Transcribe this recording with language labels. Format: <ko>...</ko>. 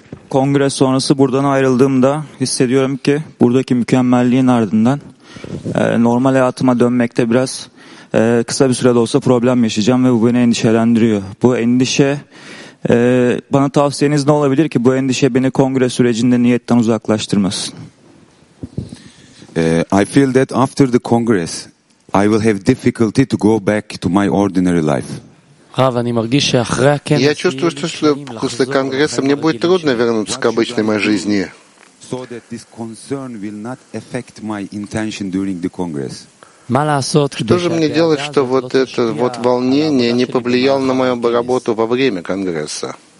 <tr>Kongre sonrası buradan ayrıldığımda hissediyorum ki buradaki mükemmelliğin ardından normal hayatıma dönmekte biraz kısa bir sürede olsa problem yaşayacağım ve bu beni endişelendiriyor. Bu endişe bana tavsiyeniz ne olabilir ki bu endişe beni kongre sürecinde niyetten uzaklaştırmasın?</tr> <en>I feel that after the Congress I will have difficulty to go back to my ordinary life.</en> <ru>Я чувствую, что после конгресса мне будет трудно вернуться к обычной моей жизни. Что же мне делать, что вот это вот волнение не повлияло на мою работу во время конгресса?</ru>